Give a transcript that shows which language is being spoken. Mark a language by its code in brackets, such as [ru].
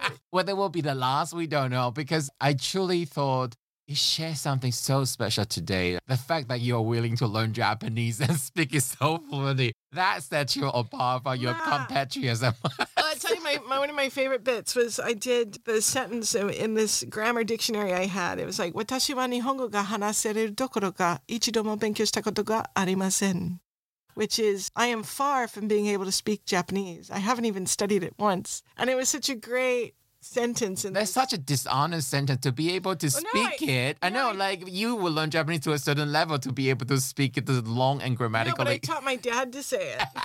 [en] Whether it will be the last, we don't know, because I truly thought you share something so special today. The fact that you're willing to learn Japanese and speak it so fluently, that sets you apart from your compatriots. I'll tell you, one of my favorite bits was I did the sentence in this grammar dictionary I had. It was like, [ja] 私は日本語が話せるどころか一度も勉強したことがありません. [en] Which is, I am far from being able to speak Japanese. I haven't even studied it once. And it was such a great sentence. That's such a dishonest sentence to be able to speak it. I know, like, you will learn Japanese to a certain level to be able to speak it long and grammatically. No, but I taught my dad to say it.